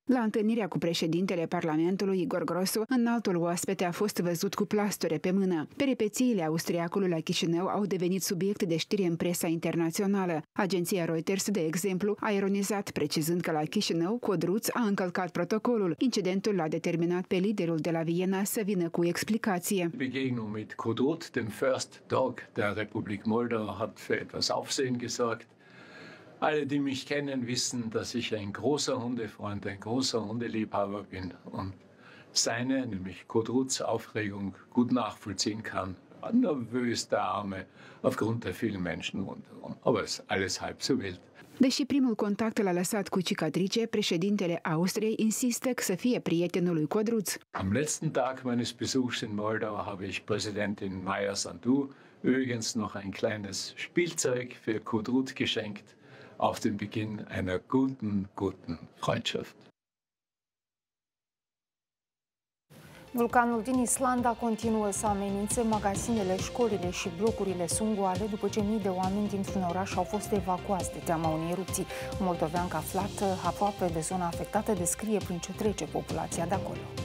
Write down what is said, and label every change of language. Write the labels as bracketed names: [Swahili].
[Romanian] La întâlnirea cu președintele Parlamentului, Igor Grosu, înaltul oaspete a fost văzut cu plasture pe mână. Peripețiile austriacului la Chișinău au devenit subiect de știri în presa internațională. Agenția Reuters, de exemplu, a ironizat, precizând că la Chișinău, Codruț a încălcat protocolul. Incidentul l-a determinat pe liderul de la Viena să vină cu explicație. [German] Begegnung mit Codruț, dem First Dog der Republik Moldau, hat für etwas Aufsehen gesorgt. Alle, die mich kennen, wissen, dass ich ein großer Hundefreund, ein großer Hundeliebhaber bin und seine, nämlich Codruț, Aufregung gut nachvollziehen kann. Nervös der Arme aufgrund der vielen Menschen rundherum. Aber es ist alles halb so wild. [Romanian] Deși primul contact l-a lăsat cu cicatrice, președintele Austriei insistă că să fie prietenul lui Codruț. [German] Am letzten Tag meines Besuchs in Moldau habe ich Präsidentin Maia Sandu übrigens noch ein kleines Spielzeug für Codruț geschenkt auf den Beginn einer guten Freundschaft. [Romanian] Vulcanul din Islanda continuă să amenințe magazinele, școlile și blocurile sunt goale după ce mii de oameni dintr-un oraș au fost evacuați de teama unei erupții. Moldoveanca aflat aproape de zona afectată descrie prin ce trece populația de acolo.